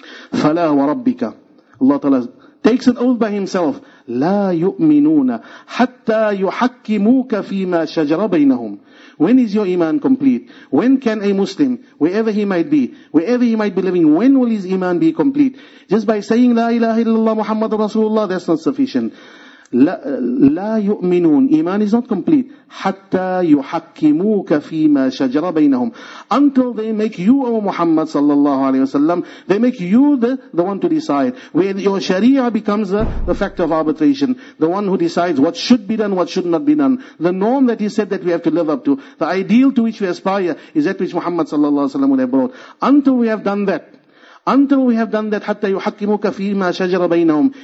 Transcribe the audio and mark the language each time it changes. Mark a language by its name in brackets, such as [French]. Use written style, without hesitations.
[Arabic] فَلَا وَرَبِّكَ. [English] Allah Ta'ala takes an oath by himself. [Arabic] لَا يُؤْمِنُونَ حَتَّى يُحَكِّمُوكَ فِيمَا شَجَرَ بَيْنَهُمْ. [English] When is your iman complete? When can a Muslim, wherever he might be, wherever he might be living, when will his iman be complete? Just by saying [Arabic] لا إله إلا الله محمد رسول الله, [English] that's not sufficient. [Arabic] لا يؤمنون. [English] Iman is not complete. [Arabic] حتى يحكموك فيما شجر بينهم. [English] Until they make you, O Muhammad sallallahu alaihi wasallam, they make you the one to decide. Where your Sharia becomes the fact of arbitration, the one who decides what should be done, what should not be done. The norm that he said that we have to live up to, the ideal to which we aspire, is that which Muhammad sallallahu alaihi wasallam would have brought. Until we have done that. Until we have done that, [Arabic] حَتَّى يُحَكِّمُكَ فِي مَا شَجَرَ بَيْنَهُمْ.